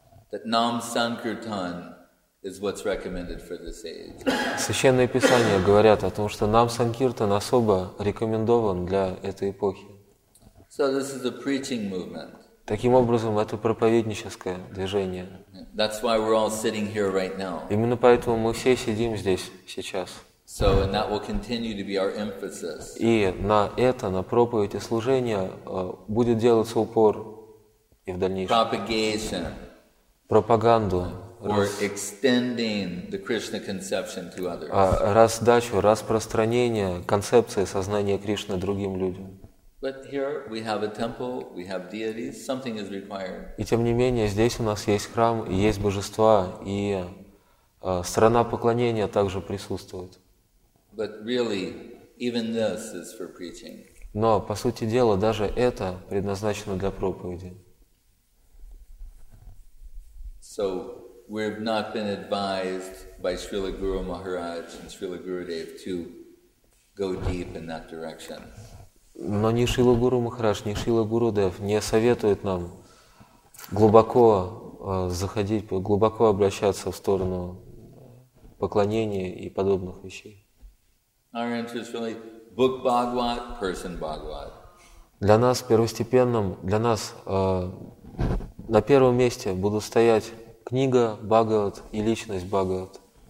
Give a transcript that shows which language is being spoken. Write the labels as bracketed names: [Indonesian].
[English] That Nam Sankirtan is what's recommended for this age. [Russian] Священные писания говорят о том, что Нам Санкиртан особо рекомендован для этой эпохи. [English] So this is a preaching movement. [Russian] Таким образом, это проповедническое движение. [English] That's why we're all sitting here right now. [Russian] Именно поэтому мы все сидим здесь сейчас. [English] So, and that will continue to be our emphasis. [Russian] И на это, на проповедь и служение, будет делаться упор и в дальнейшем. [English] Propagation. [Russian] Пропаганду. [English] Or extending the Krishna conception to others. [Russian] Раздачу, распространение концепции сознания Кришны другим людям. [English] But here we have a temple, we have deities, something is required. [Russian] И тем не менее, здесь у нас есть храм, есть божества, и сторона поклонения также присутствует. [English] But really, even this is for preaching. [Russian] Но, по сути дела, даже это предназначено для проповеди. [English] So, we've not been advised by Srila Guru Maharaj and Srila Gurudev to go deep in that direction. [Russian] Но ни Шрила Гуру Махарадж, ни Шрила Гуру Дев не советуют нам глубоко заходить, глубоко обращаться в сторону поклонения и подобных вещей. [English] Our interest really book Bhagwat, person Bhagwat. [Russian] Для нас первостепенным, для нас на первом месте будут стоять книга Бхагават и личность Бхагават.